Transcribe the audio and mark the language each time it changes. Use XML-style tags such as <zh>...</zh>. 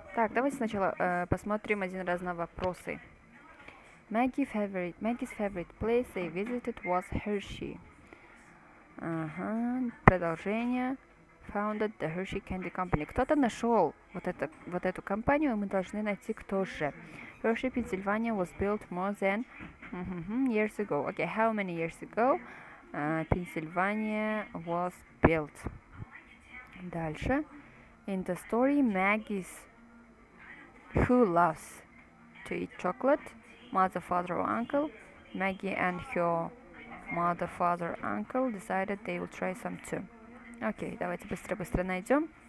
<ru>Так, давайте сначала посмотрим один раз на вопросы.</ru> <en>Maggie's favorite place they visited was Hershey.</en> <ru>Ага, продолжение.</ru> <en>Founded the Hershey Candy Company.</en> <ru>Кто-то нашел вот эту компанию, и мы должны найти, кто же.</ru> <en>Hershey, Pennsylvania was built more than years ago. Okay, how many years ago Pennsylvania was built?</en> <ru>Дальше.</ru> <en>In the story, Maggie's who loves to eat chocolate? Mother, father, or uncle, Maggie and her mother, father, uncle decided they will try some too.</en> <ru>Окей, давайте быстро-быстро найдем.</ru>